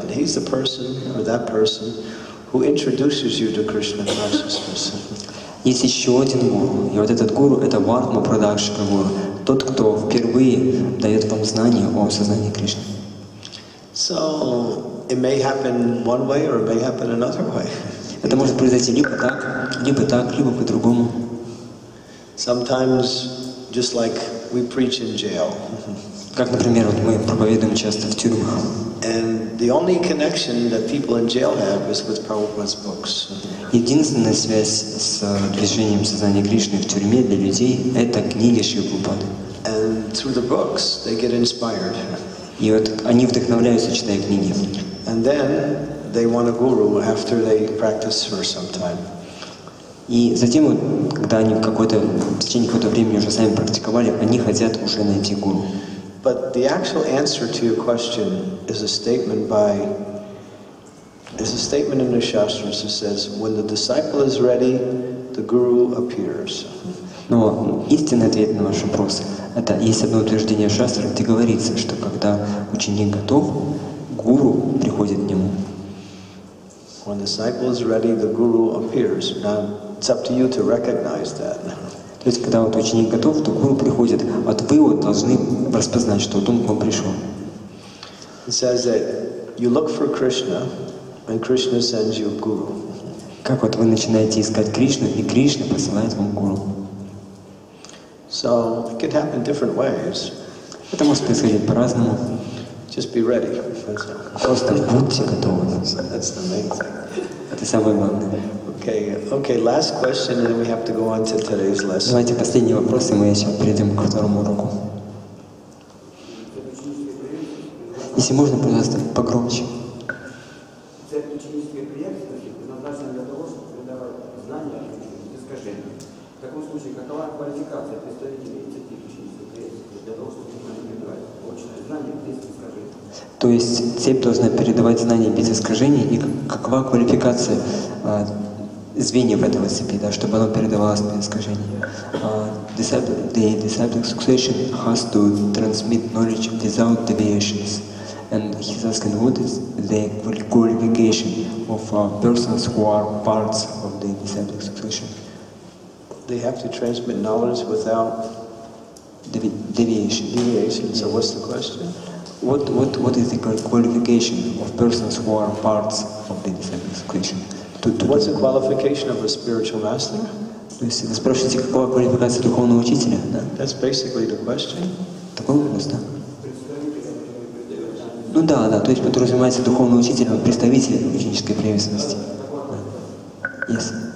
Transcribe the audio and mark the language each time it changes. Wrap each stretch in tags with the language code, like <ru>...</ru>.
<en>And he's the person, or that person, who introduces you to Krishna consciousness.</en> <ru>Есть еще один гуру, и вот этот гуру — это Vartma Padaksha Guru. Тот, кто впервые дает вам знание о сознании Кришны.</ru> <en>So, it may happen one way, or it may happen another way.</en> <ru>Это может произойти либо так, либо так, либо по-другому.</ru> <en>Sometimes, just like we preach in jail.</en> <ru>Как, например, вот мы проповедуем часто в тюрьмах.</ru> <en>And the only connection that people in jail have is with Prabhupada's books.</en> <ru>Единственная связь с движением сознания Кришны в тюрьме для людей — это книги Шри Прабхупады.</ru> <en>And through the books, they get inspired.</en> <ru>И вот они вдохновляются, читая книги.</ru> <en>And then they want a guru after they practice for some time.</en> <ru>И затем, вот, когда они в течение какого-то времени уже сами практиковали, они хотят уже найти гуру.</ru> <en>But the actual answer to your question is a statement in the Shastras that says, when the disciple is ready, the guru appears.</en> <ru>Но истинный ответ на ваш вопрос. Это есть одно утверждение Шастры, где говорится, что когда ученик готов, гуру приходит к нему.</ru> <en>When the disciple is ready, the guru appears. Now, it's up to you to recognize that.</en> <ru>То есть, когда вот ученик готов, то гуру приходит. Вот вы вот должны распознать, что вот он к вам пришел.</ru> <en>It says that you look for Krishna, and Krishna sends you guru.</en> <ru>Как вот вы начинаете искать Кришну, и Кришна посылает вам гуру.</ru> <en>So it could happen different ways.</en> <ru>Это может происходить по-разному.</ru> <en>Just be ready.</en> <ru>Просто будьте готовы.</ru> <en>That's the main thing.</en> <ru>Это самое главное.</ru> <en>Okay. Last question, and then we have to go on to today's lesson.</en> <ru>Давайте последний вопрос, и мы еще перейдем к второму уроку. Если можно, пожалуйста, погромче. В таком случае, какова квалификация представителей этих учеников для того, чтобы понимать? То есть цепь должна передавать знания без искажений, и какова квалификация звеньев этого цепи, да, чтобы оно передавалось без искажений?</ru> <en>The disciple succession has to transmit knowledge without deviations. And he's asking, what is the qualification of persons who are parts of the disciple succession? They have to transmit knowledge without deviation. Deviation. So what's the question? What is the qualification of persons who are parts of the disciple succession? What's the qualification of a spiritual master?</en> <ru>То есть вы спрашиваете, какова квалификация духовного учителя? Да.</ru> <en>That's basically the question.</en> <ru>Такой вопрос, да? Ну да, да. То есть подразумевается духовный учитель, он представитель ученической преемственности. Да. Yes.</ru>